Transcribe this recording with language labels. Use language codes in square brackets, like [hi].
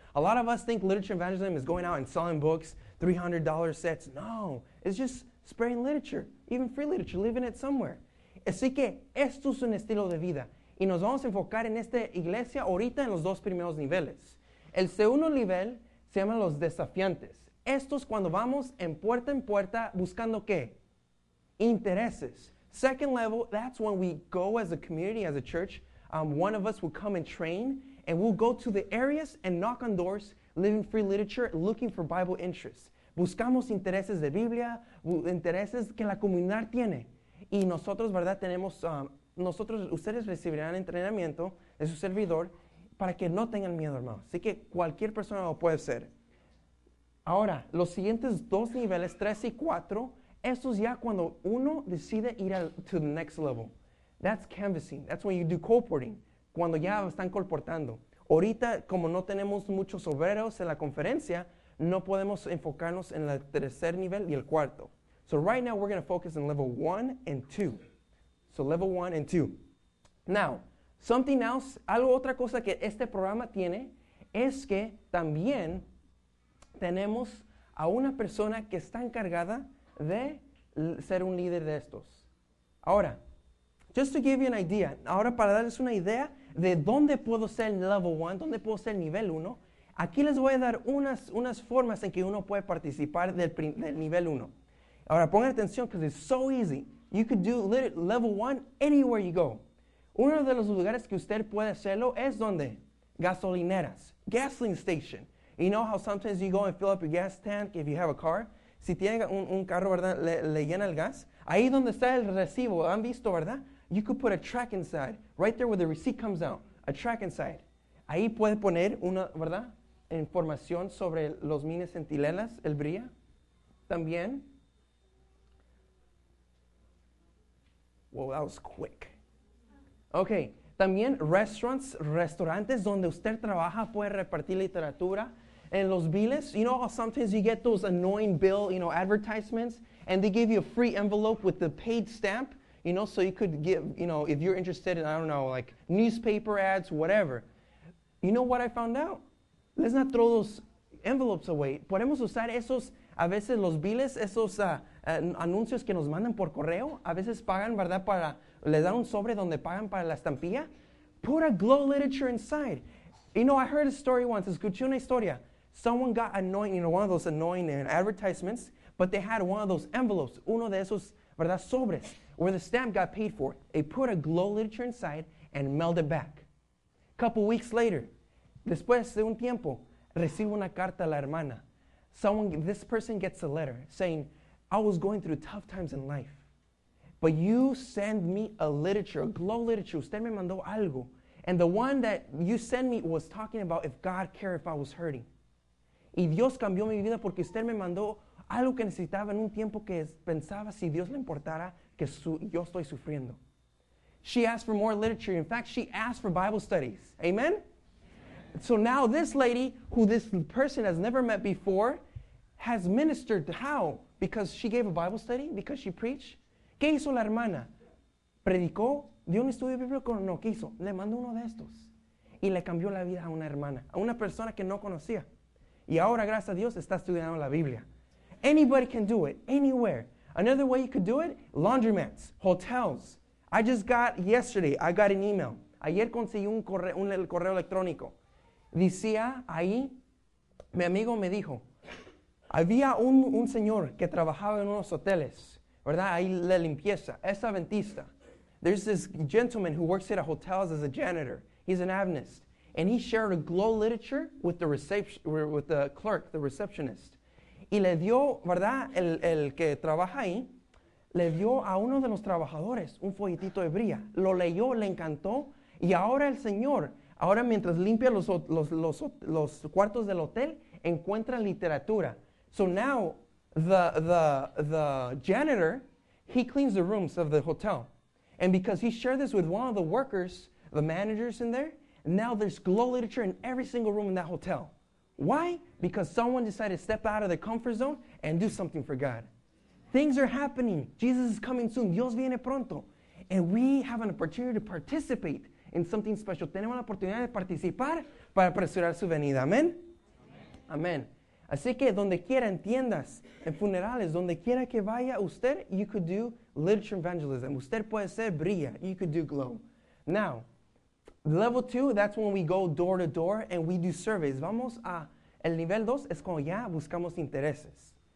[en] A lot of us think literature evangelism is going out and selling books, $300 sets. No, it's just spreading literature, even free literature, leaving it somewhere. [es] Así que esto es un estilo de vida. Y nos vamos a enfocar en esta iglesia ahorita en los dos primeros niveles. El segundo nivel se llama los desafiantes. Esto es cuando vamos en puerta buscando ¿qué? Intereses. [en] Second level, that's when we go as a community, as a church. One of us will come and train, and we'll go to the areas and knock on doors, living free literature, looking for Bible interests. [es] Buscamos intereses de Biblia, intereses que la comunidad tiene. Y nosotros, ¿verdad? Tenemos, nosotros, ustedes recibirán entrenamiento de su servidor para que no tengan miedo, hermano. Así que cualquier persona lo puede hacer. Ahora, los siguientes dos niveles, tres y cuatro, eso es ya cuando uno decide ir [en] to the next level. That's canvassing. That's when you do colporting. [es] Cuando ya están colportando. Ahorita, como no tenemos muchos obreros en la conferencia, no podemos enfocarnos en el tercer nivel y el cuarto. [en] So right now, we're going to focus on level one and two. So level one and two. Now, something else, [es] algo otra cosa que este programa tiene, es que también tenemos a una persona que está encargada de ser un líder de estos. Ahora, [en] just to give you an idea, [es] ahora para darles una idea de dónde puedo ser [en] level one, [es] dónde puedo ser nivel uno, aquí les voy a dar unas formas en que uno puede participar del nivel uno. Ahora pongan atención, [en] because it's so easy. You could do level one anywhere you go. [es] Uno de los lugares que usted puede hacerlo es donde? Gasolineras. [en] Gasoline station. You know how sometimes you go and fill up your gas tank if you have a car? [es] Si tiene un carro, ¿verdad? Le llena el gas. Ahí donde está el recibo, ¿han visto, verdad? [en] You could put a track inside, right there where the receipt comes out. A track inside. [es] Ahí puede poner una, ¿verdad? Información sobre los mines centinelas, el BRIA. También. [en] Wow, that was quick. Okay. [es] También restaurants, restaurantes donde usted trabaja puede repartir literatura. [en] And los biles, you know how sometimes you get those annoying bill, you know, advertisements, and they give you a free envelope with the paid stamp, you know, so you could give, you know, if you're interested in, I don't know, like newspaper ads, whatever. You know what I found out? Let's not throw those envelopes away. [es] Podemos usar esos, a veces los biles, esos anuncios que nos mandan por correo, a veces pagan, ¿verdad? Para, les dan un sobre donde pagan para la estampilla. [en] Put a glow literature inside. You know, I heard a story once. [es] Escuché una historia. [en] Someone got annoying, you know, one of those annoying advertisements, but they had one of those envelopes, [es] uno de esos, ¿verdad? [en] Sobres, where the stamp got paid for. They put a glow literature inside and mailed it back. Couple weeks later, [es] después de un tiempo, recibo una carta a la hermana. [en] This person gets a letter saying, I was going through tough times in life, but you send me a glow literature. [es] Usted me mandó algo. [en] And the one that you sent me was talking about if God cared if I was hurting. [es] Y Dios cambió mi vida porque usted me mandó algo que necesitaba en un tiempo que pensaba si Dios le importara que yo estoy sufriendo. [en] She asked for more literature. In fact, she asked for Bible studies. Amen? So now this lady, who this person has never met before, has ministered. How? Because she gave a Bible study? Because she preached? [es] ¿Qué hizo la hermana? ¿Predicó? ¿Dio un estudio bíblico? No, ¿qué hizo? Le mandó uno de estos. Y le cambió la vida a una hermana, a una persona que no conocía. Y ahora, gracias a Dios, está estudiando la Biblia. [en] Anybody can do it, anywhere. Another way you could do it, laundromats, hotels. I got an email. [es] Ayer conseguí un correo electrónico. Decía ahí, mi amigo me dijo, había un señor que trabajaba en unos hoteles, ¿verdad? Ahí la limpieza, es adventista. [en] There's this gentleman who works at a hotel as a janitor. He's an Adventist. And he shared a glow literature with the clerk, the receptionist. [es] Y le dio, ¿verdad? El que trabaja ahí, le dio a uno de los trabajadores un folletito de Brea. Lo leyó, le encantó. Y ahora el señor, ahora mientras limpia los cuartos del hotel, encuentra literatura. [en] So now, the janitor, he cleans the rooms of the hotel. And because he shared this with one of the workers, the managers in there, now there's glow literature in every single room in that hotel. Why? Because someone decided to step out of their comfort zone and do something for God. Things are happening. Jesus is coming soon. [es] Dios viene pronto. [en] And we have an opportunity to participate in something special. [es] Tenemos la oportunidad de participar para apresurar su venida. Amen? Amen. Así que donde quiera, entiendas, en funerales, donde quiera que vaya usted, [en] you could do literature evangelism. [es] Usted puede ser Brea. [en] You could do glow. Now, level two, that's when we go door to door and we do surveys. [es] Vamos a el nivel dos, es cuando ya buscamos intereses.